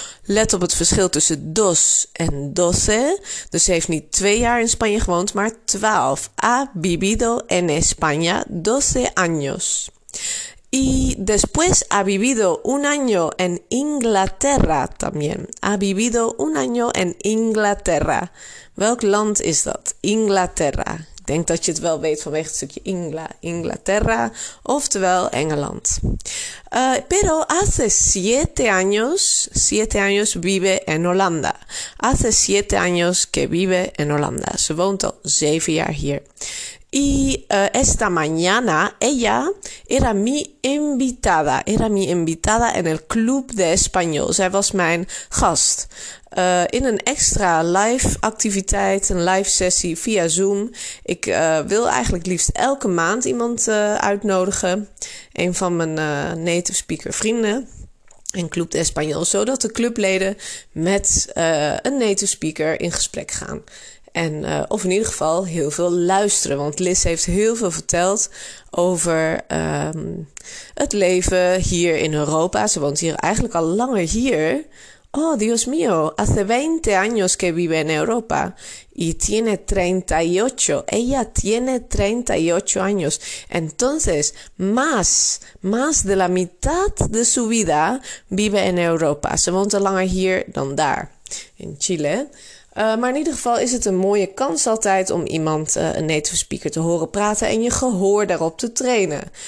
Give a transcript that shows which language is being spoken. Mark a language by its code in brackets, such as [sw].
[nl] Let op het verschil tussen dos en doce. Dus ze heeft niet 2 jaar in Spanje gewoond, maar 12. [es] Ha vivido en España 12 años. Y después ha vivido un año en Inglaterra también. Ha vivido un año en Inglaterra. [nl] Welk land is dat? Inglaterra. Ik denk dat je het wel weet vanwege het stukje Inglaterra. Oftewel Engeland. [es] Pero hace siete años vive en Holanda. Hace siete años que vive en Holanda. [nl] Ze woont al 7 jaar hier. [es] Y esta mañana ella era mi invitada en el Club de Español. [nl] Zij was mijn gast. In een extra live activiteit, een live sessie via Zoom. Ik wil eigenlijk liefst elke maand iemand uitnodigen. Een van mijn native speaker vrienden. En Club de Español, zodat de clubleden met een native speaker in gesprek gaan. En of in ieder geval heel veel luisteren, want Liz heeft heel veel verteld over het leven hier in Europa. Ze woont hier eigenlijk al langer hier. [es] Oh, Dios mío, hace 20 años que vive en Europa. Y tiene 38. Ella tiene 38 años. Entonces, más de la mitad de su vida vive en Europa. [nl] Ze woont al langer hier dan daar, in Chile. Maar in ieder geval is het een mooie kans altijd om iemand, een native speaker, te horen praten en je gehoor daarop te trainen.